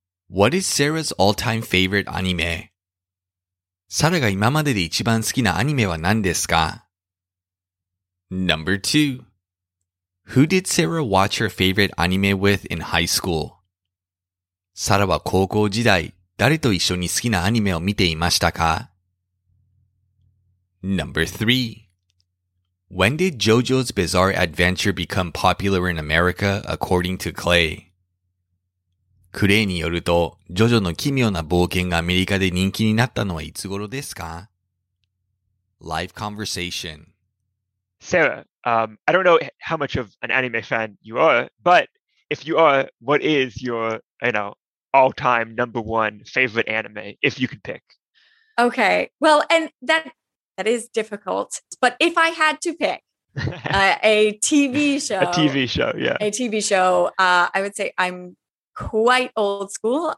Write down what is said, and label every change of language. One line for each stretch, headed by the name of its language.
English: What is Sarah's all-time favorite anime?
Japanese: サラが今までで一番好きなアニメは何ですか?
English: Number two. Who did Sarah watch her favorite anime with in high school?
Japanese: サラは高校時代、誰と一緒に好きなアニメを見ていましたか?
English: Number 3. When did JoJo's Bizarre Adventure become popular in America, according to Clay?
Japanese: クレイによると、ジョジョの奇妙な冒険がアメリカで人気になったのはいつ頃ですか?
English: Live conversation. Sarah. I don't know how much of an anime fan you are, but if you are, what is your, you know, all-time number one favorite anime, if you could pick? Okay, well, and that is difficult, but if I had to pick a TV show, I would say I'm quite old school.